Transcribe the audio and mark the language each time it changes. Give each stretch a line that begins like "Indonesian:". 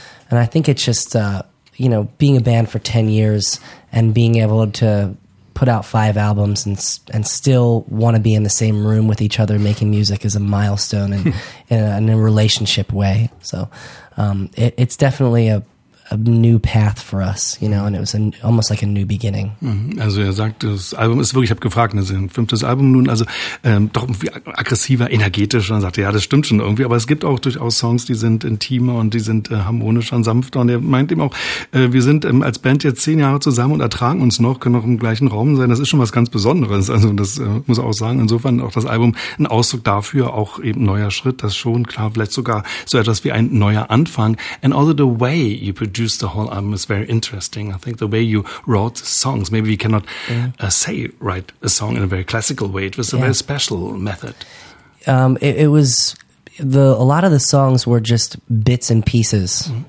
English: And I think it's just, being a band for 10 years and being able to put out five albums and still want to be in the same room with each other making music is a milestone and in a relationship way. So it's definitely a new path for us, and it was almost like a new beginning.
German: Also er sagt, das Album ist wirklich, ich habe gefragt, das ist ein fünftes Album nun, also doch irgendwie aggressiver, energetischer. Und er sagte, ja, das stimmt schon irgendwie, aber es gibt auch durchaus Songs, die sind intimer und die sind harmonischer und sanfter. Und er meint eben auch, wir sind als Band jetzt 10 Jahre zusammen und ertragen uns noch, können auch im gleichen Raum sein. Das ist schon was ganz Besonderes. Also das muss er auch sagen. Insofern auch das Album ein Ausdruck dafür, auch eben neuer Schritt, das schon, klar, vielleicht sogar so etwas wie ein neuer Anfang.
English: And also the way you produce the whole album is very interesting. I think the way you wrote the songs, maybe we cannot say write a song in a very classical way. It was a very special method. A lot of the songs were just bits and pieces.